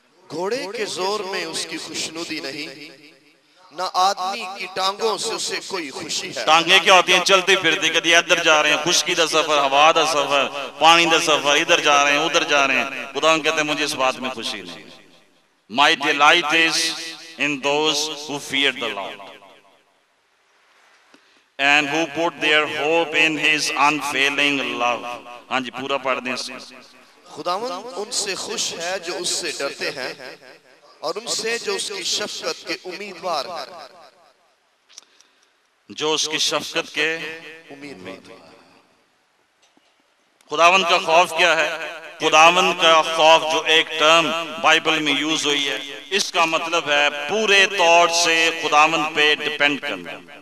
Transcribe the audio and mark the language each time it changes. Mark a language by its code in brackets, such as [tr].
[ur] گھوڑے کے زور میں اس کی خوشنودی نہیں, نہ آدمی کی ٹانگوں سے اسے کوئی خوشی ہے. ٹانگیں کیا ہوتی ہیں؟ چلتے پھرتے, کدی ادھر جا رہے ہیں, [pa] خشکی دا سفر, ہوا دا سفر, پانی دا سفر, [ur] ادھر جا رہے ہیں, ادھر جا رہے ہیں. خدا کہتے ہیں مجھے اس بات میں خوشی نہیں. [en] My delight is in those who fear the Lord and who put their hope in his unfailing love. [ur] ہاں جی پورا پڑھ دیں. خداوند ان سے خوش ہے جو اس سے ڈرتے ہیں اور ان سے جو اس کی شفقت کے امیدوار ہیں. جو اس کی شفقت کے امیدوار. خداوند کا خوف کیا ہے؟ خداوند کا خوف جو ایک ٹرم بائبل میں یوز ہوئی ہے, اس کا مطلب ہے پورے طور سے خداوند پہ ڈیپینڈ کرنا.